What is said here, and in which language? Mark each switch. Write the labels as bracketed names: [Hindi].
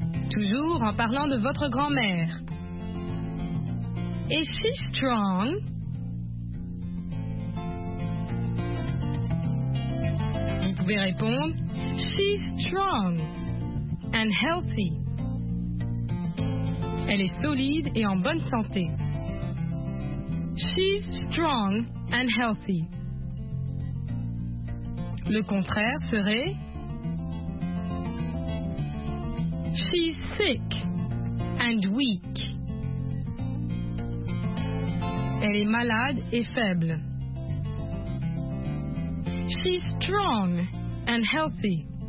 [French] Toujours en parlant de votre grand-mère. [English] Is she strong? [French] pouvez répondre, [English] she's strong and healthy. [French] Elle est solide et en bonne santé. [English] She's strong and healthy. [French] Le contraire serait, [English] she's sick and weak. [French] Elle est malade et faible. [English] She's strong and healthy.